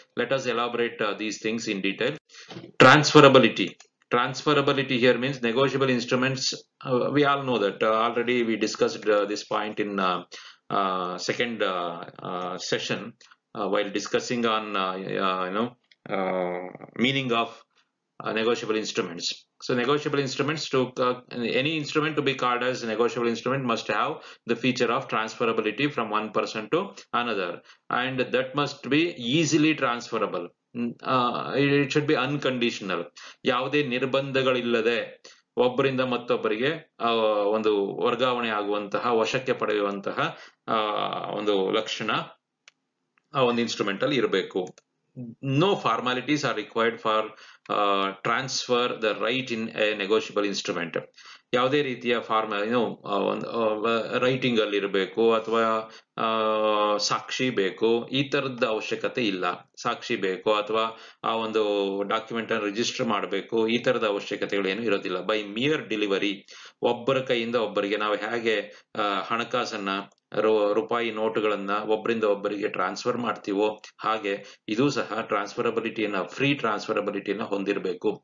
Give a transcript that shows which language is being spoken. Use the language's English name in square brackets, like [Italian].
[English] Let us elaborate these things in detail. Transferability, transferability here means negotiable instruments. We all know that already we discussed this point in second session while discussing on you know meaning of negotiable instruments. So negotiable instruments, to any instrument to be called as negotiable instrument must have the feature of transferability from one person to another, and that must be easily transferable. It should be unconditional. [Kannada] Yavade nirbandhagalillade ಒಬ್ಬರಿಂದ ಮತ್ತೊಬ್ಬರಿಗೆ ಒಂದು ವರ್ಗಾವಣೆ ಆಗುವಂತಹ ವಶಕ್ಕೆ ಪಡೆಯುವಂತಹ ಒಂದು ಲಕ್ಷಣ ಆ ಒಂದು ಇನ್ಸ್ಟ್ರೂಮೆಂಟ್ ಅಲ್ಲಿ ಇರಬೇಕು. [English] No formalities are required for transfer the right in a negotiable instrument. [Kannada] ಯಾವುದೇ ರೀತಿಯ ಫಾರ್ಮಲ್ ಏನು ರೈಟಿಂಗ್ ಅಲ್ಲಿ ಇರಬೇಕು ಅಥವಾ ಸಾಕ್ಷಿ ಬೇಕು ಈ ತರದ ಅವಶ್ಯಕತೆ ಇಲ್ಲ. ಸಾಕ್ಷಿ ಬೇಕು ಅಥವಾ ಆ ಒಂದು ಡಾಕ್ಯುಮೆಂಟ್ ಅನ್ನು ರಿಜಿಸ್ಟರ್ ಮಾಡಬೇಕು ಈ ತರದ ಅವಶ್ಯಕತೆಗಳು ಏನು ಇರೋದಿಲ್ಲ. [English] by mere delivery, [Kannada] ಒಬ್ಬರ ಕೈಯಿಂದ ಒಬ್ಬರಿಗೆ ನಾವು ಹೇಗೆ ಹಣಕಾಸನ್ನ ರೂಪಾಯಿ ನೋಟುಗಳನ್ನ ಒಬ್ಬರಿಂದ ಒಬ್ಬರಿಗೆ ಟ್ರಾನ್ಸ್ಫರ್ ಮಾಡ್ತೀವೋ ಹಾಗೆ ಇದು ಸಹ ಟ್ರಾನ್ಸ್ಫರಬಿಲಿಟಿಯನ್ನ, ಫ್ರೀ ಟ್ರಾನ್ಸ್ಫರಬಿಲಿಟಿಯನ್ನ ಹೊಂದಿರಬೇಕು.